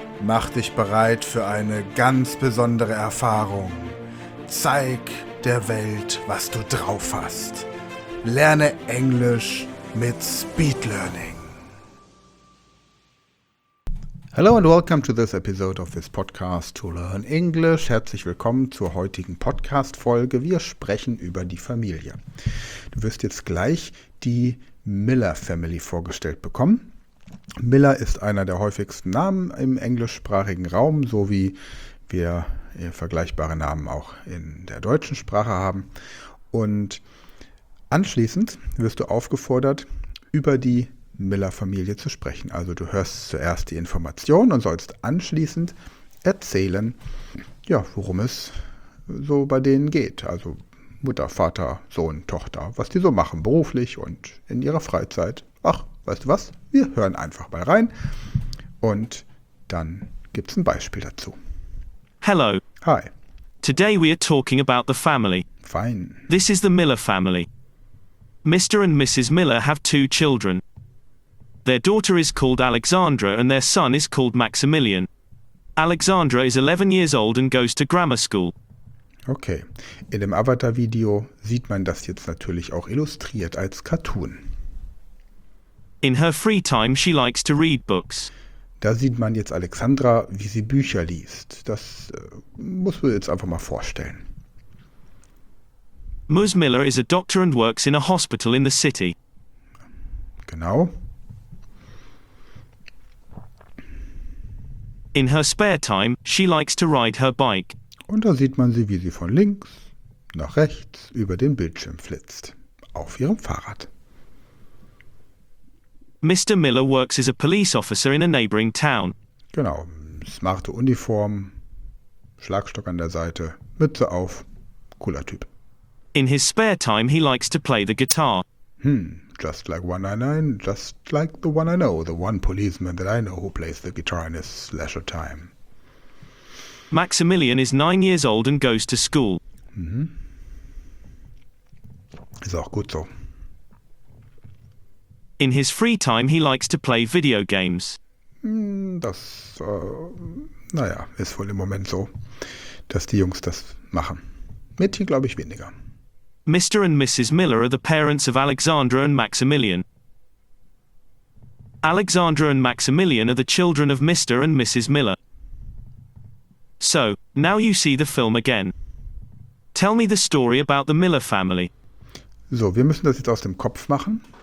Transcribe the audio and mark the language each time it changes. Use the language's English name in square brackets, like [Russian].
[German] Mach dich bereit für eine ganz besondere Erfahrung. Zeig der Welt, was du drauf hast. Lerne Englisch mit Speed Learning. [English] Hello and welcome to this episode of this podcast to learn English. [German] Herzlich willkommen zur heutigen Podcast-Folge. Wir sprechen über die Familie. Du wirst jetzt gleich die Miller Family vorgestellt bekommen. Miller ist einer der häufigsten Namen im englischsprachigen Raum, so wie wir vergleichbare Namen auch in der deutschen Sprache haben. Und anschließend wirst du aufgefordert, über die Miller-Familie zu sprechen. Also du hörst zuerst die Information und sollst anschließend erzählen, ja, worum es so bei denen geht. Also Mutter, Vater, Sohn, Tochter, was die so machen beruflich und in ihrer Freizeit. Ach, weißt du was? Wir hören einfach mal rein und dann gibt's ein Beispiel dazu. [English] Hello. Hi. Today we are talking about the family. Fine. This is the Miller family. Mr. and Mrs. Miller have two children. Their daughter is called Alexandra and their son is called Maximilian. Alexandra is 11 years old and goes to grammar school. Okay. [German] In dem Avatar-Video sieht man das jetzt natürlich auch illustriert als Cartoon. [English] In her free time she likes to read books. [German] Da sieht man jetzt Alexandra, wie sie Bücher liest. Das muss man jetzt einfach mal vorstellen. [English] Ms. Miller is a doctor and works in a hospital in the city. [German] Genau. [English] In her spare time she likes to ride her bike. [German] Und da sieht man sie, wie sie von links nach rechts über den Bildschirm flitzt. Auf ihrem Fahrrad. Mr. Miller works as a police officer in a neighboring town. Genau, smarte Uniform, Schlagstock an der Seite, Mütze auf, cooler Typ. [English] In his spare time he likes to play the guitar. Just like 199, just like the one I know, the one policeman that I know who plays the guitar in his leisure time. Maximilian is 9 years old and goes to school. [German] Ist auch gut so. [English] In his free time he likes to play video games. [German] Das ist wohl im Moment so, dass die Jungs das machen. Mädchen glaube ich weniger. [English] Mr. and Mrs. Miller are the parents of Alexandra and Maximilian. Alexandra and Maximilian are the children of Mr. and Mrs. Miller. So, now you see the film again. Tell me the story about the Miller family. [German] So, wir müssen das jetzt aus dem Kopf machen.